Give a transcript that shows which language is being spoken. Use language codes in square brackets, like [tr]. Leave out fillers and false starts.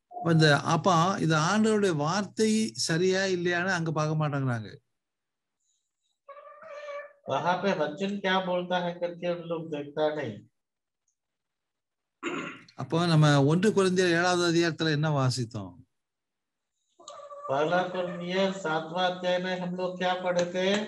[ta] அந்த அப்ப இது ஆண்டவருடைய வார்த்தை சரியா இல்லையான்னு அங்க பார்க்க மாட்டாங்க. [hi] वहां पे वचन क्या बोलता है करके उन लोग देखता नहीं. [ta] அப்போ நம்ம 1 கொரிந்தியர் 7வது அதிகாரத்துல என்ன வாசித்தோம்? [hi] पहला कुरिन्थियों 7वां अध्याय में हम लोग क्या पढ़े थे?